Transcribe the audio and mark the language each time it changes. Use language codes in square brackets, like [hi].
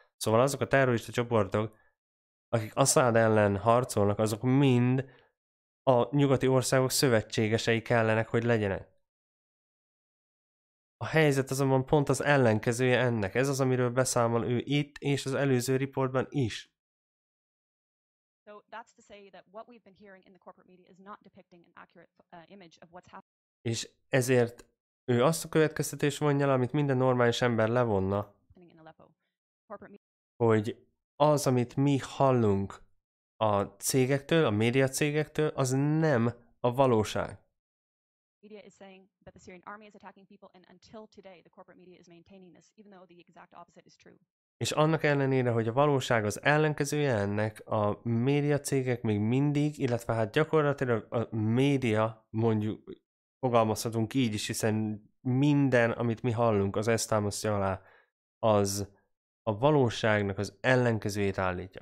[hu] Szóval azok a terrorista csoportok, akik Assad ellen harcolnak, azok mind a nyugati országok szövetségesei kellenek, hogy legyenek. A helyzet azonban pont az ellenkezője ennek. Ez az, amiről beszámol ő itt, és az előző riportban is. [en] So that's to say that what we've been hearing in the corporate media is not depicting an accurate image of what's happening. [hu] És ezért ő azt a következtetést vonja le, amit minden normális ember levonna, hogy az, amit mi hallunk a cégektől, a média cégektől, az nem a valóság. [en] Media is saying that the Syrian army is attacking people, and until today the corporate media is maintaining this, even though the exact opposite is true. [hu] És annak ellenére, hogy a valóság az ellenkezője ennek, a média cégek még mindig, illetve hát gyakorlatilag a média, mondjuk fogalmazhatunk így is, hiszen minden, amit mi hallunk, az ezt támasztja alá, az a valóságnak az ellenkezőjét állítja.